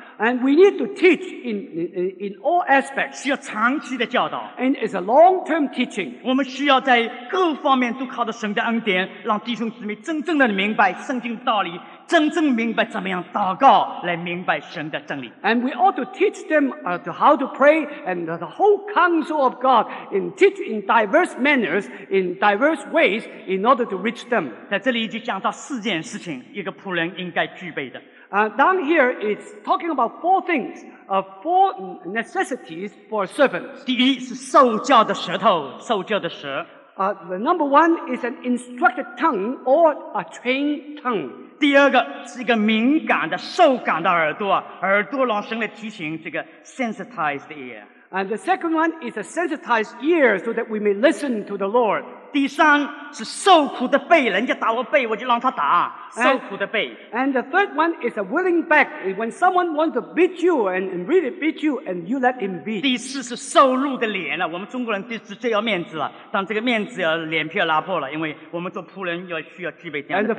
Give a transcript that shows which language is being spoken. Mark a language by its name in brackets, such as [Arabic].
[English] And we need to teach in all aspects. [Chinese] 需要长期的教导。 [English] And it's a long-term teaching. [Chinese] 我们需要在各方面都靠着神的恩典，让弟兄姊妹真正的明白圣经道理，真正明白怎么样祷告来明白神的真理。 [English] And we ought to teach them how to pray and the whole counsel of God in teach in diverse manners, in diverse ways, in order to reach them. [Chinese] 在这里就讲到四件事情，一个仆人应该具备的。 [English] Down here, it's talking about four things, four necessities for servants. [Chinese] 第一是受教的舌头，受教的舌。 [English] The number one is an instructed tongue or a trained tongue. [Chinese] 第二个是一个敏感的、受感的耳朵，耳朵让神来提醒，这个 [English] sensitized ear. And the second one is a sensitized ear so that we may listen to the Lord. [Chinese] 第三是受苦的背，人家打我背，我就让他打。受苦的背。 [English] And the third one is a willing back. When someone wants to beat you and really beat you, and you let him beat. [Chinese] 第四是受辱的脸了。我们中国人就是最要面子了，但这个面子要脸皮要拉破了，因为我们做仆人要需要具备这样的条件。